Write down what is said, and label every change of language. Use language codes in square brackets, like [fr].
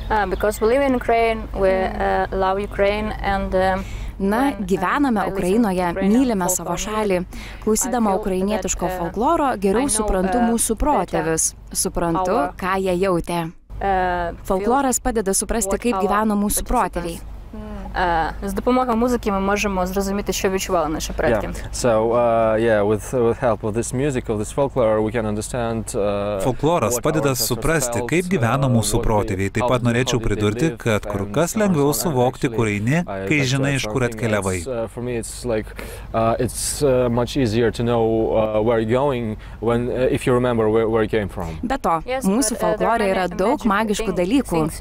[en] Because we live in Ukraine, we love Ukraine and [lt] na, gyvename Ukrainoje, mylime savo šalį. Klausydama ukrainietiško folkloro, geriau suprantu mūsų protėvius. Suprantu, ką jie jautė. Folkloras padeda suprasti, kaip gyveno mūsų protėviai. [uk] З допомогою музики ми можемо зрозуміти, що відчували наші предки. [en] Yeah. So, with help of this music, of this folklore, we can understand [lt] folkloras padeda suprasti, kaip gyveno mūsų protėviai. Taip pat norėčiau pridurti, kad kur kas lengviau suvokti, kur eini, kai žinai, iš kur atkeliavai. [en] For me it's like it's much easier to know where you're going when if you remember where you came from. [lt] Be to, mūsų folklore yra daug magiškų dalykų.